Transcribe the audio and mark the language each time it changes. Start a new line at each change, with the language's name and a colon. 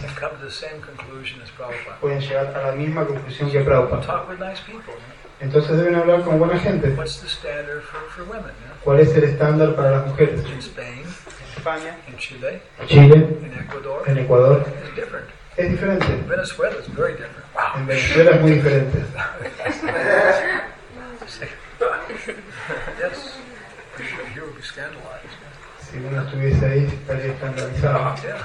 English: Can come to the same conclusion as Prabhupada.
Spanish: Pueden llegar a la misma conclusión que Prabhupada.
English: Talk with nice people.
Spanish: Entonces deben hablar con buena gente.
English: What's the standard for women? Yeah?
Spanish: ¿Cuál es el estándar para las mujeres?
English: In Spain.
Spanish: España, Chile, en Ecuador,
English: is different.
Spanish: Es diferente.
English: Venezuela is very different. Wow.
Spanish: En Venezuela es muy diferente.
English: Yes, you would be scandalized.
Spanish: Sí, si uno estuviese ahí estaría escandalizado.